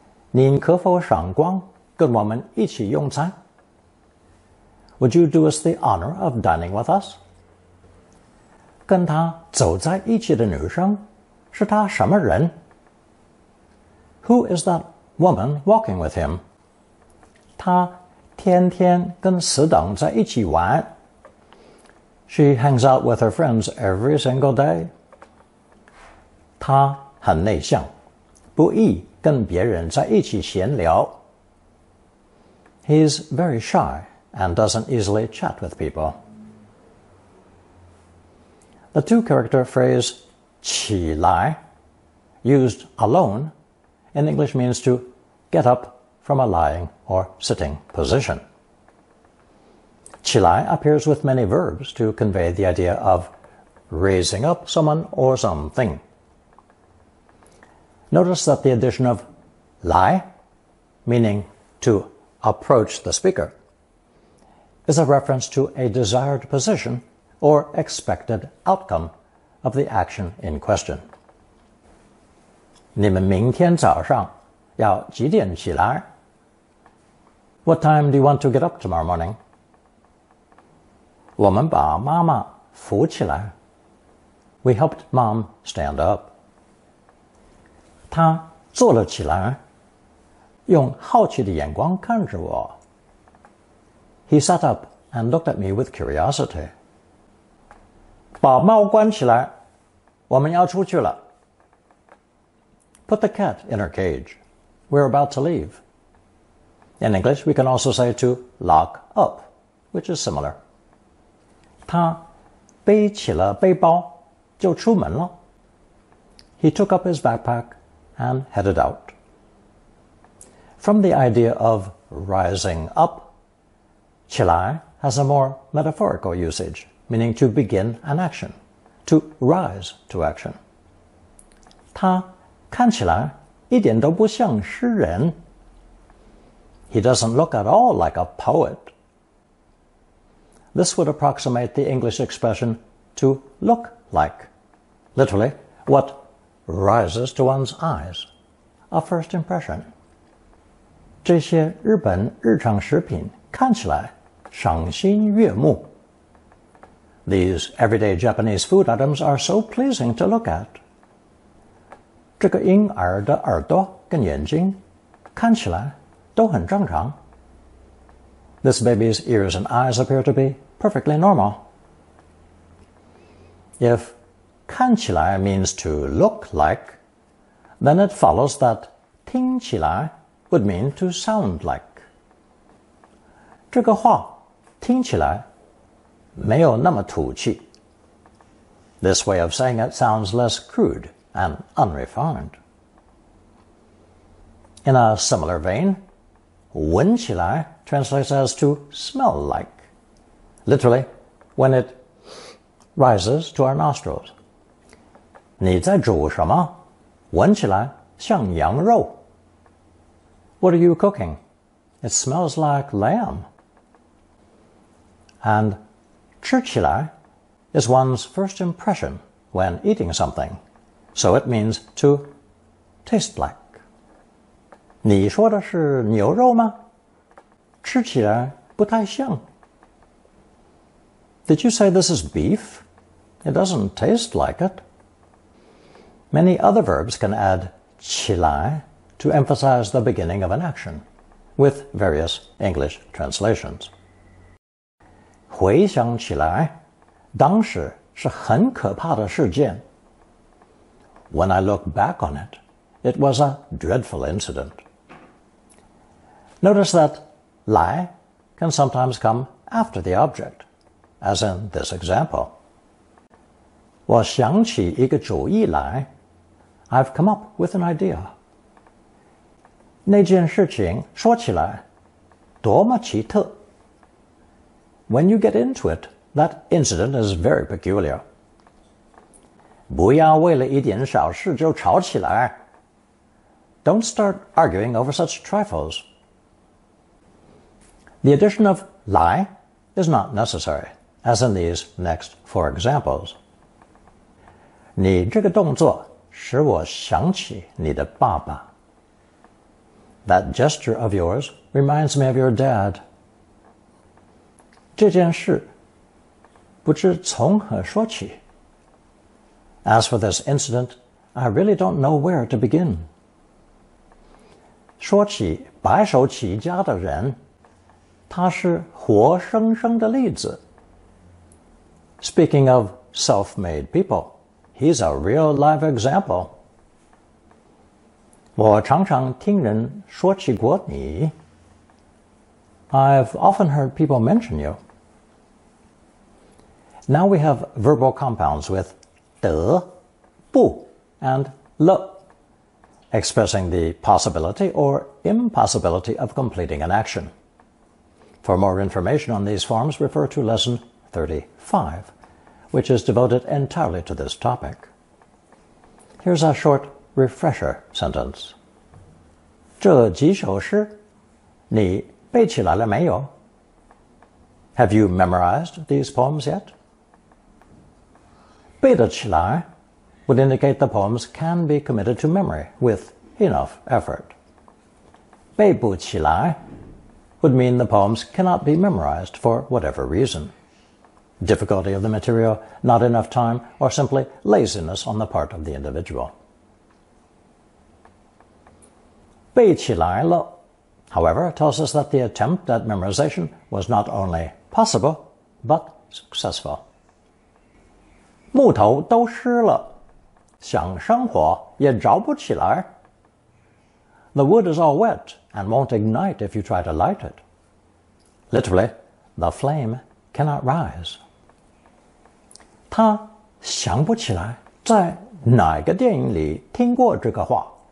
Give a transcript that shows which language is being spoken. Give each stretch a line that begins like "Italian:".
Chinese: 您可否赏光跟我们一起用餐?
English: Would you do us the honor of dining with us?
Chinese: 跟他走在一起的女生是他什么人?
English: Who is that woman walking with him?
Chinese: 他天天跟死党在一起玩。
English: She hangs out with her friends every single day.
Chinese: 他很内向,不易跟别人在一起闲聊。
English: He's very shy and doesn't easily chat with people. The two-character phrase
Chinese: 起来,
English: used alone, in English means to get up from a lying or sitting position. 起来 appears with many verbs to convey the idea of raising up someone or something. Notice that the addition of 来, meaning to approach the speaker, is a reference to a desired position or expected outcome of the action in question.
Chinese: 你们明天早上要几点起来?
English: What time do you want to get up tomorrow morning?
Chinese: 我们把妈妈扶起来。
English: We helped mom stand up.
Chinese: 她坐了起来,用好奇的眼光看着我。
English: He sat up and looked at me with curiosity.
Chinese: 把猫关起来,我们要出去了。
English: Put the cat in her cage. We're about to leave. In English, we can also say to lock up, which is similar.
Chinese: 他背起了背包就出门了。
English: He took up his backpack and headed out. From the idea of rising up, 起来 has a more metaphorical usage. Meaning to begin an action, to rise to action.
Chinese: 他看起来一点都不像诗人。
English: He doesn't look at all like a poet. This would approximate the English expression to look like, literally, what rises to one's eyes, a first impression.
Chinese: 这些日本日常食品看起来赏心悦目。
English: These everyday Japanese food items are so pleasing to look at.
Chinese: 这个婴儿的耳朵跟眼睛看起来都很正常。
English: This baby's ears and eyes appear to be perfectly normal. If 看起来 means to look like, then it follows that 听起来 would mean to sound like.
Chinese: 这个话听起来没有那么土气。
English: This way of saying it sounds less crude and unrefined. In a similar vein, 闻起来 translates as to smell like. Literally, when it rises to our nostrils.
Chinese: 你在煮什么？闻起来像羊肉。
English: What are you cooking? It smells like lamb. And 吃起来is one's first impression when eating something. So it means to taste like.
Chinese: 你说的是牛肉吗？吃起来不太像。
English: Did you say this is beef? It doesn't taste like it. Many other verbs can add 起来 to emphasize the beginning of an action, with various English translations.
Chinese: 回想起来当时是很可怕的事件。
English: When I look back on it, it was a dreadful incident. Notice that 来 can sometimes come after the object, as in this example.
Chinese: 我想起一个主意来
English: I've come up with an idea.
Chinese: 那件事情说起来多么奇特。
English: When you get into it,That incident is very peculiar.
Chinese: 不要为了一点小事就吵起来。
English: Don't start arguing over such trifles. The addition of 来 is not necessary, as in these next four examples.
Chinese: 你这个动作使我想起你的爸爸。
English: That gesture of yours reminds me of your dad.
Chinese: 这件事不知从何说起。
English: As for this incident, I really don't know where to begin.
Chinese: 说起白手起家的人，他是活生生的例子。
English: Speaking of self-made people, he's a real-life example.
Chinese: 我常常听人说起过你。
English: I've often heard people mention you. Now we have verbal compounds with
Chinese: 得、不、
English: and 了 expressing the possibility or impossibility of completing an action. For more information on these forms, refer to lesson 35, which is devoted entirely to this topic. Here's a short refresher sentence.
Chinese: 这几首诗你背起来了没有？
English: Have you memorized these poems yet? 背得起来 would indicate the poems can be committed to memory with enough effort. 背不起来 would mean the poems cannot be memorized for whatever reason. Difficulty of the material, not enough time, or simply laziness on the part of the individual.
Chinese: 背起来了
English: however, tells us that the attempt at memorization was not only possible, but successful.
Chinese: 木头都湿了，想生火也着不起来。
English: The wood is all wet and won't ignite if you try to light it. Literally, the flame cannot rise.
Chinese: 他想不起来在哪个电影里听过这个话。